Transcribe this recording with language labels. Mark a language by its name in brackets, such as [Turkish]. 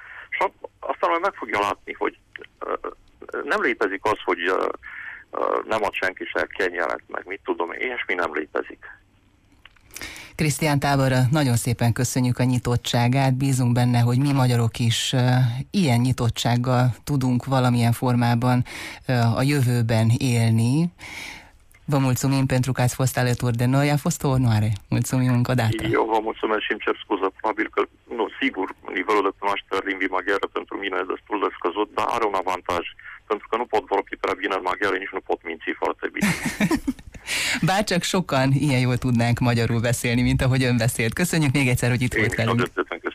[Hungarian] És aztán meg fogja látni, hogy nem létezik az, hogy nem ad senki se kenyeret, meg mit tudom, ilyesmi nem létezik. Krisztián Táborra nagyon szépen köszönjük a nyitottságát, bízunk benne, hogy mi magyarok is ilyen nyitottsággal tudunk valamilyen formában a jövőben élni. [Romanian] Vă mulțumim pentru că ați fost alături de noi, a fost o onoare. Mulțumim încă o dată. Eu vă mulțumesc și îmi cer scuză, probabil că, nu, sigur, nivelul de cunoaștere a limbii maghiară pentru mine e destul de scăzut, dar are un avantaj, pentru că nu pot vorbi prea bine în maghiară, nici nu pot minți foarte bine. [Hungarian] Bárcsak sokan ilyen jól tudnánk magyarul beszélni, mint ahogy ön beszélt. Köszönjük még egyszer, hogy itt volt velünk.